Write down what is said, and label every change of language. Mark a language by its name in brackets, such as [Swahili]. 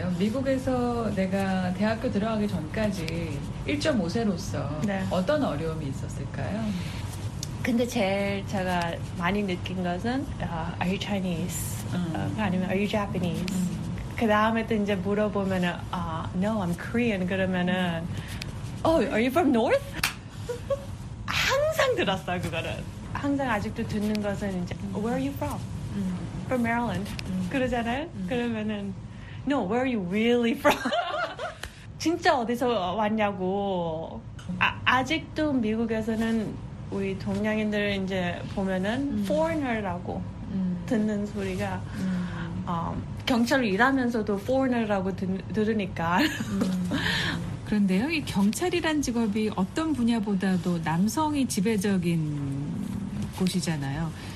[Korean] 미국에서 내가 대학교 들어가기 전까지 1.5세로서 네. 어떤 어려움이 있었을까요? 근데 제일 제가 많이 느낀 것은 [English] Are you Chinese? [Korean] 아니면 [English] Are you Japanese? [Korean] 그 다음에 또 이제 물어보면은 아, [English] no, I'm Korean. 그러면은 oh, are you from North? [Korean] 항상 들었어 그거는. 항상 아직도 듣는 것은 이제 [English] where are you from? From Maryland. [Korean] 그러잖아요. [English] 그러면은 no, where are you really from? [Korean] 진짜 어디서 왔냐고. 아, 아직도 미국에서는 우리 동양인들 이제 보면은 foreigner라고 듣는 소리가 경찰을 일하면서도 foreigner라고 들으니까 그런데요, 이 경찰이란 직업이 어떤 분야보다도 남성이 지배적인 곳이잖아요.